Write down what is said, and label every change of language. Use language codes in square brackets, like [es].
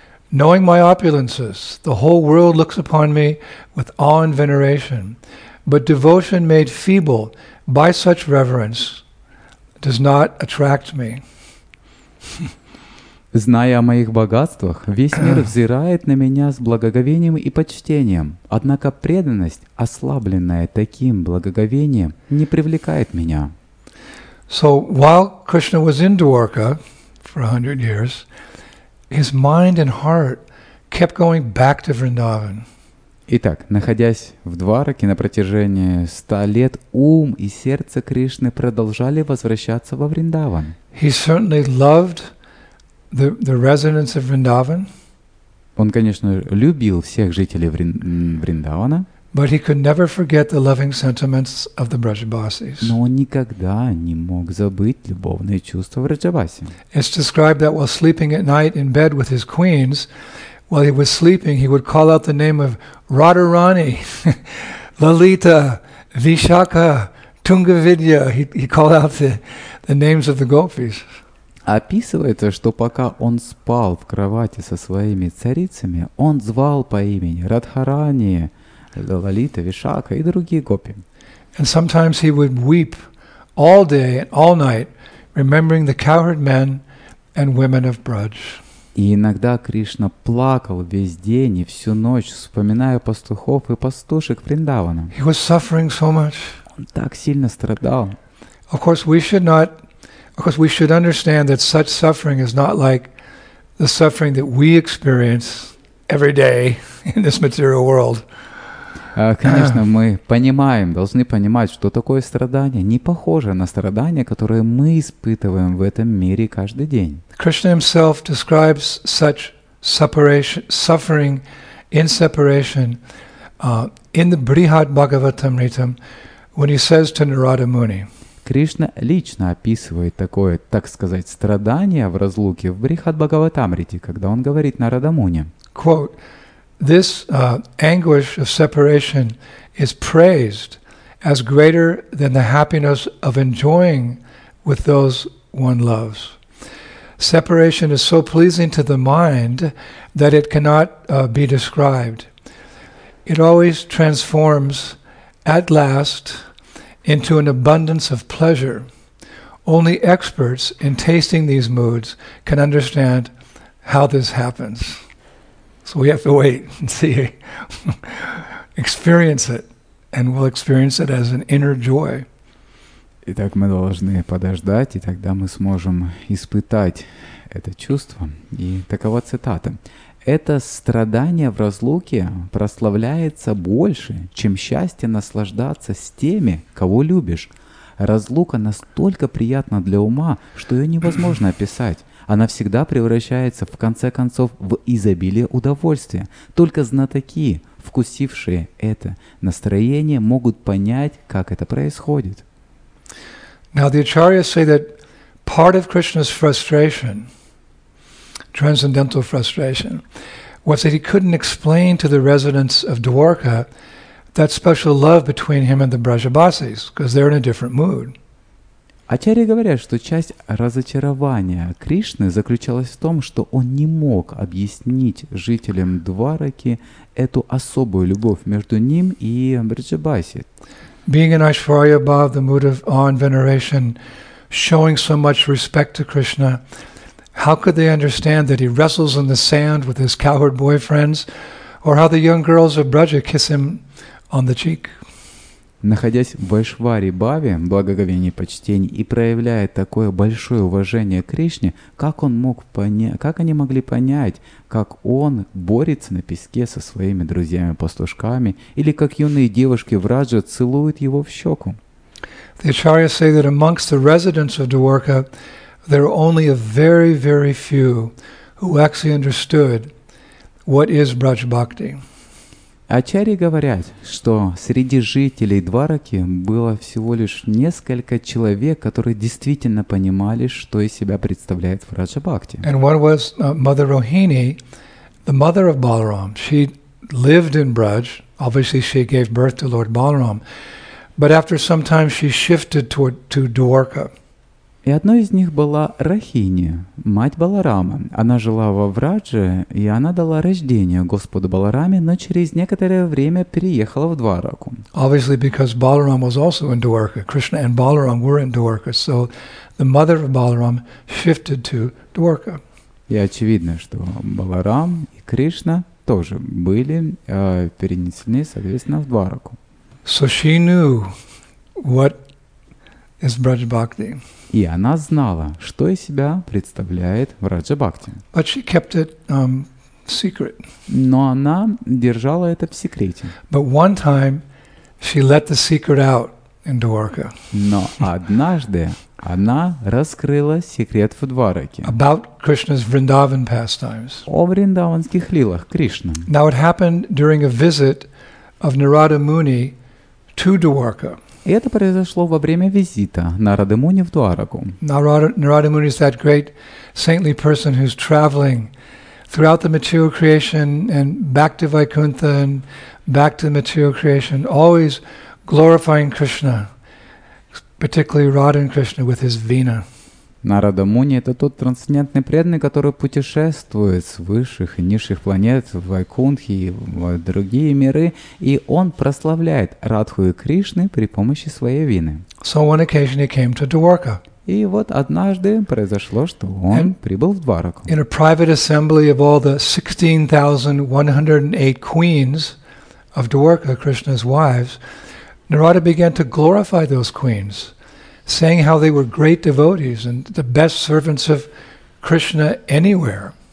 [en] Knowing my opulences, the whole world looks upon me with awe and veneration, but devotion made feeble by such reverence does not attract me. [ru] Зная о моих богатствах, весь мир взирает на меня с благоговением и почтением. Однако преданность, ослабленная таким благоговением, не привлекает меня. [en] So while Krishna was in Dwarka for 100 years, his mind and heart kept going back to Vrindavan. [ru] Итак, находясь в Двараке на протяжении 100 лет, ум и сердце Кришны продолжали возвращаться во Вриндаван. [en] He certainly loved the residents of Vrindavan. [ru] Он, конечно, любил всех жителей Вриндавана. [en] But he could never forget the loving sentiments of the Vrajabasis. [ru] Но он никогда не мог забыть любовные чувства Враджабаси. [en] It's described that while sleeping at night in bed with his queens, while he was sleeping, he would call out the name of Radharani, Lalita, Vishakha, Tungavidya, he called out the names of the gopis. [ru] Описывается, что пока он спал в кровати со своими царицами, он звал по имени Радхарани, Лалита, Вишака и другие гопи. [en] And sometimes he would weep all day and all night, remembering the cowherd men and women of Braj. [ru] И иногда Кришна плакал весь день и всю ночь, вспоминая пастухов и пастушек Вриндавана. [en] He was suffering so much. [ru] Он так сильно страдал. [en] Of course, we should not. Of course, we should understand that such suffering is not like the suffering that we experience every day in this material world. [ru] Конечно, мы понимаем, должны понимать, что такое страдание не похоже на страдание, которое мы испытываем в этом мире каждый день. [en] Krishna himself describes such suffering in separation in the Brihad Bhagavatamritam when he says to Narada Muni. [ru] Кришна лично описывает такое, так сказать, страдание в разлуке в Брихад Бхагаватамрите, когда он говорит Нарада Муни. [en] Quote, this anguish of separation is praised as greater than the happiness of enjoying with those one loves. Separation is so pleasing to the mind that it cannot be described. It always transforms at last into an abundance of pleasure. Only experts in tasting these moods can understand how this happens. So we have to wait and see, experience it, and we'll experience it as an inner joy. [ru] Итак, мы должны подождать, и тогда мы сможем испытать это чувство. И такова цитата. Это страдание в разлуке прославляется больше, чем счастье наслаждаться с теми, кого любишь. Разлука настолько приятна для ума, что ее невозможно описать. Она всегда превращается, в конце концов, в изобилие удовольствия. Только знатоки, вкусившие это настроение, могут понять, как это происходит. [en] Now the acharyas say that part of Krishna's frustration, transcendental frustration, was that he couldn't explain to the residents of Dwarka that special love between him and the Brajabasis, because they're in a different mood. [ru] Ачарьи говорят, что часть разочарования Кришны заключалась в том, что он не мог объяснить жителям Двараки эту особую любовь между ним и Брджабаси. [en] Being an Aishwarya above the mood of awe and veneration, showing so much respect to Krishna, how could they understand that he wrestles in the sand with his cowherd boyfriends, or how the young girls of Braja kiss him on the cheek? [ru] Находясь в Вайшваре Бхаве, благоговении почтении, и проявляя такое большое уважение к Кришне, как он мог как они могли понять, как он борется на песке со своими друзьями-пастушками, или как юные девушки в Раджа целуют его в щеку? [en] The acharyas say that amongst the residents of Dwarka, there are only a very, very few who actually understood what is Braj Bhakti. [ru] Ачарьи говорят, что среди жителей Двараки было всего лишь несколько человек, которые действительно понимали, что из себя представляет Враджа Бхакти. [en] And one was Mother Rohini, the mother of Balaram. She lived in Braj. Obviously, she gave birth to Lord Balaram. But after some time, she shifted to Dwarka. [ru] И одной из них была Рахини, мать Баларама. Она жила во Врадже, и она дала рождение Господу Балараме, но через некоторое время переехала в Двараку. [en] Obviously, because Balaram was also in Dwarka. Krishna and Balaram were in Dwarka. So the mother of Balaram shifted to Dwarka. [ru] И очевидно, что Баларам и Кришна тоже были перенесены, соответственно, в Двараку. [en] So she knew what is Braj Bhakti. [ru] И она знала, что из себя представляет Враджа Бхакти. [en] But she kept it secret. [ru] Но она держала это в секрете. [en] But one time she let the secret out in Dwarka. [ru] Но однажды она раскрыла секрет в Двараке. [en] About Krishna's Vrindavan pastimes. [ru] О Вриндаванских лилах Кришны. [en] Now it happened during a visit of Narada Muni to Dwarka. [ru] И это произошло во время визита Нарады Муни в Двараку. [en] Narada Muni is that great saintly person who's traveling throughout the material creation and back to Vaikuntha and back to the material creation, always glorifying Krishna, particularly Radha and Krishna with his Vina. [ru] Нарада Муни – это тот трансцендентный преданный, который путешествует с высших и низших планет в Вайкунтхе и в другие миры, и он прославляет Радху и Кришны при помощи своей вины. [en] So one occasion he came to Dwarka. [ru] И вот однажды произошло, что он прибыл в Двараку. [en] In a private assembly of all the 16,108 queens of Dwarka, Krishna's wives, Narada began to glorify those queens, saying how they were great devotees and the best servants of Krishna anywhere.